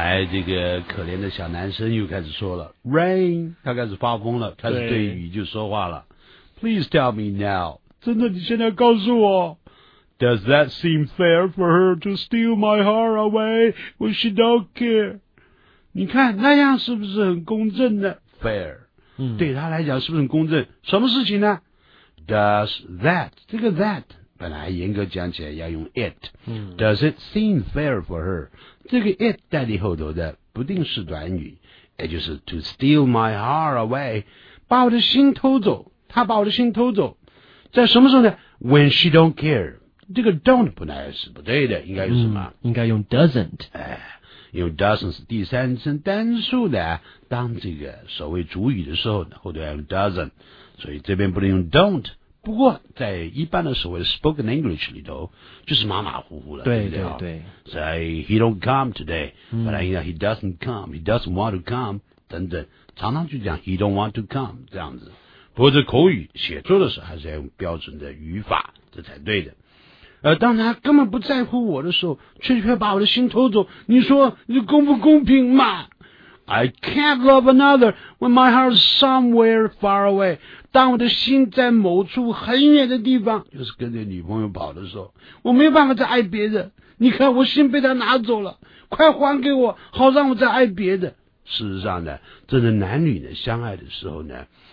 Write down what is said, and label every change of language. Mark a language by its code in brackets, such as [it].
[zh] 这个可怜的小男生又开始说了 Rain， 他开始发疯了，开始对雨就说话了。 [en] Please tell me now， [zh] 真的你现在告诉我， [en] Does that seem fair for her to steal my heart away when she don't care？ [zh] 你看那样是不是很公正呢？Fair、对他来讲是不是很公正？什么事情呢？ [en] Does that， [zh] 这个 [en] that [zh] 本来严格讲起来要用 [en] it、Does it seem fair for her？ [zh] 这个 it 代替后头的不定式短语，也就是 [en] to steal my heart away， [zh] 把我的心偷走，他把我的心偷走，在什么时候呢？ [en] When she don't care， [zh] 这个 don't 本来是不对的，应该用什么、应该用 doesn't、用 doesn't 是第三人称单数的，当这个所谓主语的时候，后头要用 doesn't， 所以这边不能用 don't。不过在一般的所谓 spoken English 里头就是马马虎虎了，对不对？对对对，所以 [en] he don't come today、 [zh] 本来应该 [en] he doesn't come， he doesn't want to come [zh] 等等，常常就讲 [en] he don't want to come [zh] 这样子。不过这口语写作的时候还是要用标准的语法，这才对的。当他根本不在乎我的时候，却把我的心偷走，你说你公不公平嘛？ [en] I can't love another when my heart is somewhere far away， [zh] 当我的心在某处很远的地方，就是跟着女朋友跑的时候，我没有办法再爱别人，你看我心被他拿走了，快还给我好让我再爱别人。事实上呢，真的男女呢相爱的时候呢，